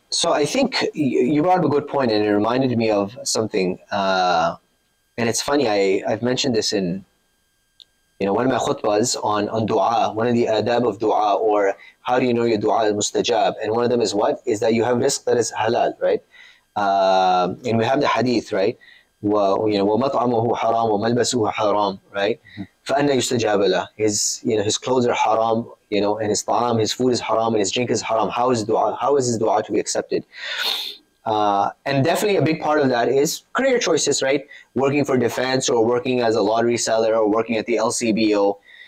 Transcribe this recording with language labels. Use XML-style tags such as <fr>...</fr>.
<en>So I think you brought up a good point and it reminded me of something. And it's funny, I've mentioned this in you know, one of my khutbas on dua, one of the adab of dua, or how do you know your dua is mustajab? And one of them is what? Is that you have rizq that is halal, right? And we have the hadith, right?</en> <ar>وَمَطْعَمُهُ حَرَامُ وَمَلْبَسُهُ حَرَامُ,</ar> <en>right?</en> <ar>فَأَنَّ يُسْتَجَابَ لَهُ.</ar> <en>His, you know, his clothes are haram, you know, and his ta'am, his food is haram, and his drink is haram. How is his dua to be accepted? And definitely a big part of that is career choices, right? Working for defense, or working as a lottery seller, or working at the LCBO.</en>